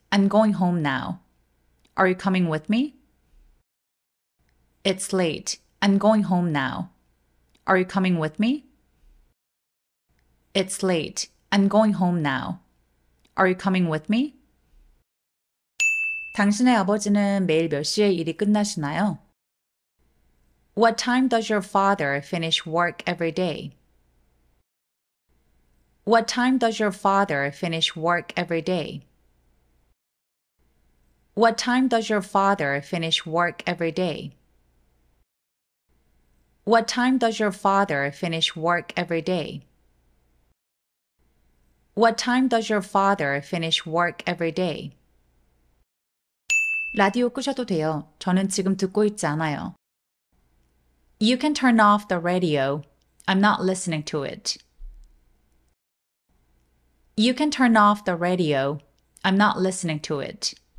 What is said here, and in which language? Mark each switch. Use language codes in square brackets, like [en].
[en] I'm going home now. Are you coming with me? It's late. I'm going home now. Are you coming with me? It's late. I'm going home now. Are you coming with me? [ko] 당신의 아버지는 매일 몇 시에 일이 끝나시나요? [en] What time does your father finish work every day? What time does your father finish work every day? What time does your father finish work every day? What time does your father finish work every day? What time does your father finish work every day? [ko] 라디오 끄셔도 돼요. 저는 지금 듣고 있지 않아요. [en] You can turn off the radio. I'm not listening to it. You can turn off the radio. I'm not listening to it.